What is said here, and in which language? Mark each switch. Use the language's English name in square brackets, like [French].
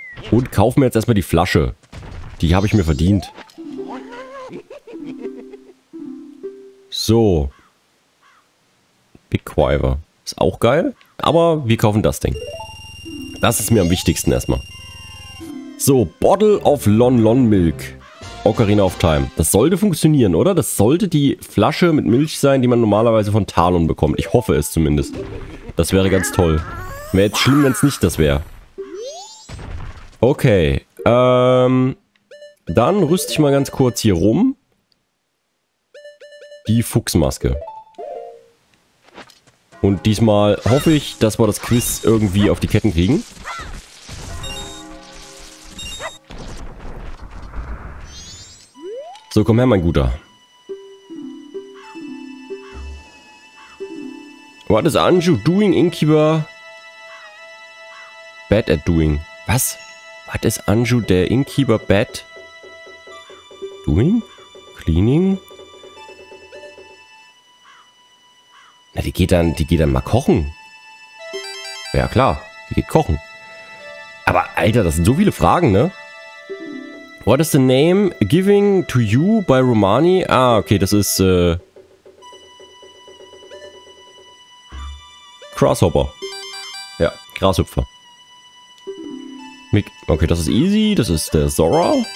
[German] Und kaufe mir jetzt erstmal die Flasche. Die habe ich mir verdient. So. Big Quiver. Ist auch geil. Aber wir kaufen das Ding. Das ist mir am wichtigsten erstmal. So, Bottle of Lon Lon Milk. Ocarina of Time. Das sollte funktionieren, oder? Das sollte die Flasche mit Milch sein, die man normalerweise von Talon bekommt. Ich hoffe es zumindest. Das wäre ganz toll. Wäre jetzt schlimm, wenn es nicht das wäre. Okay. Dann rüste ich mal ganz kurz hier rum. Die Fuchsmaske. Und diesmal hoffe ich, dass wir das Quiz irgendwie auf die Ketten kriegen. So, komm her, mein Guter. [English] What is Anju doing, Innkeeper? Bad at doing. Was? What is Anju, der Innkeeper, bad? Doing? Cleaning? [German] Na, die geht dann mal kochen. Ja, klar. Die geht kochen. Aber, Alter, das sind so viele Fragen, ne? [English] What is the name giving to you by Romani? [German] Ah, okay, das ist, Grasshopper. Ja, Grashüpfer. Okay, das ist easy. Das ist der Zora.